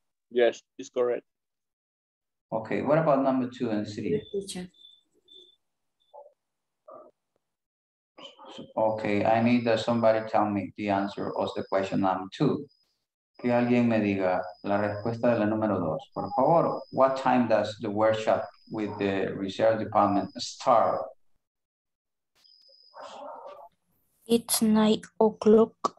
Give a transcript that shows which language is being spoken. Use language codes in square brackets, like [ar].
[en] Yes, it's correct. Okay, what about number two and three? Okay, I need that somebody tell me the answer of the question number two. [es] Que alguien me diga la respuesta de la número dos, por favor. [en] What time does the workshop with the research department start? It's 9 o'clock.